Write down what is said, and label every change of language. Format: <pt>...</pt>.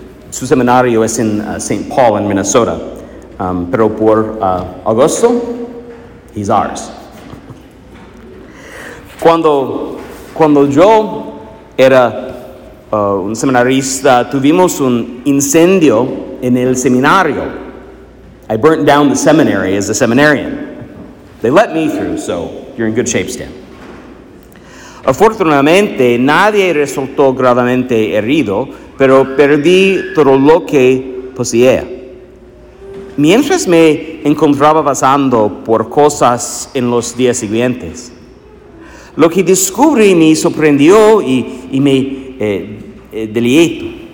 <es>Su seminario es en St. Paul, en Minnesota. Pero por agosto,</es> <en>he's ours.</en> <es>Cuando yo era un seminarista, tuvimos un incendio en el seminario.</es> <en>I burnt down the seminary as a seminarian. They let me through, so you're in good shape, Stan.</en> <es>Afortunadamente, nadie resultó gravemente herido, pero perdí todo lo que poseía. Mientras me encontraba pasando por cosas en los días siguientes, lo que descubrí me sorprendió y me deleitó.</es>